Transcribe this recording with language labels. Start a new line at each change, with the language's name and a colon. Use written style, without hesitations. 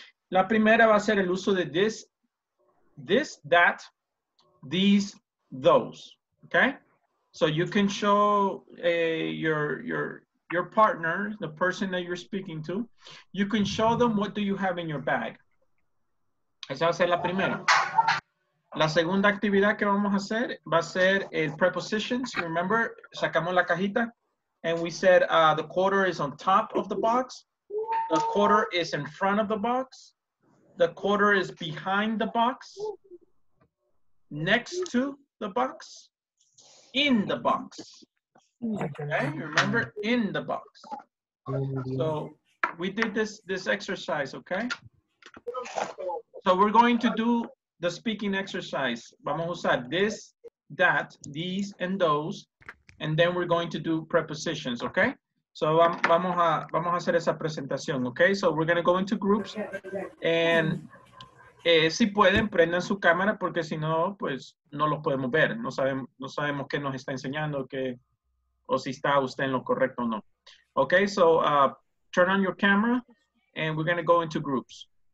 Spanish: La primera va a ser el uso de this, that, these, those.
English: Okay, so you can show your partner, the person that you're speaking to. You can show them what do you have in your bag.
Spanish: Esa va a ser la primera. La segunda actividad que vamos a hacer va a ser el prepositions.
English: Remember,
Spanish: sacamos la cajita
English: and we said the quarter is on top of the box. The quarter is in front of the box. The quarter is behind the box. Next to the box. In the box. Okay, remember, in the box. So we did this exercise, okay? So we're going to do the speaking exercise.
Spanish: Vamos a usar this, that, these, and those.
English: And then we're going to do prepositions, okay? So
Spanish: vamos a hacer esa presentación,
English: okay? So we're going to go into groups.
Spanish: And si pueden, prendan su cámara, porque si no, pues, no los podemos ver. No sabemos qué nos está enseñando, qué, o si está usted en lo correcto o no.
English: Okay, so turn on your camera, and we're going to go into groups.